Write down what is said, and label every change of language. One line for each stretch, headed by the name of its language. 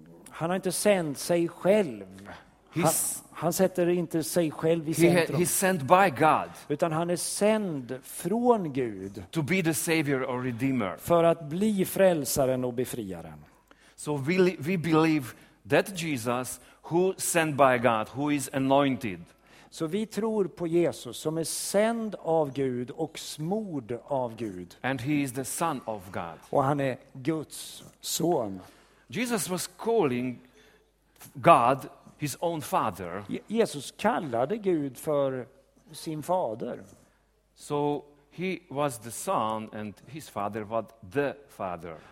Swedish: Han har inte sänt sig själv. Han sätter inte sig själv i centrum.
English: He's sent by God.
Swedish: Utan han är sänd från Gud.
English: To be the savior or redeemer.
Swedish: För att bli frälsaren och befriaren.
English: So we believe that Jesus, who sent by God, who is anointed.
Swedish: Så vi tror på Jesus som är sänd av Gud och smord av Gud.
English: And he is the son of God.
Swedish: Och han är Guds son.
English: Jesus was calling God his own father.
Swedish: Jesus kallade Gud för sin fader.
English: So he was the son and his father was the father.